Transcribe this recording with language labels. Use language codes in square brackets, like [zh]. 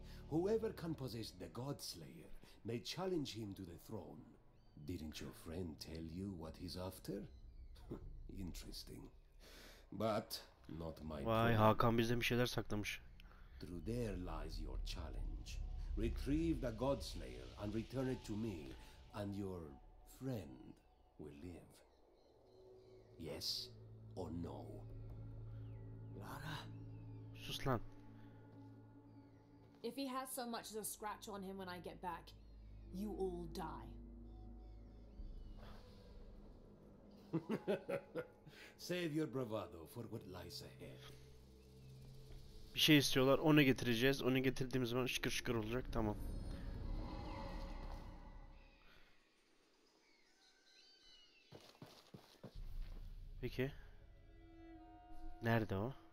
[en] Whoever can possess the God Slayer may challenge him to the throne. Didn't your friend tell you what he's after? Interesting. But not my problem. [tr] Vay, Hakan bize bir şeyler saklamış. [en] Through there lies your challenge. Retrieve the God Slayer and return it to me and your friend will live. Yes or no? Lara, [tr] sus lan. [en] If he has so much as a scratch on him when I get back, you all die. Save your bravado for what lies ahead. [tr] Bir şey istiyorlar. Onu getireceğiz. Onu getirdiğimiz zaman şıkır şıkır olacak. Tamam. Peki. Nerede o?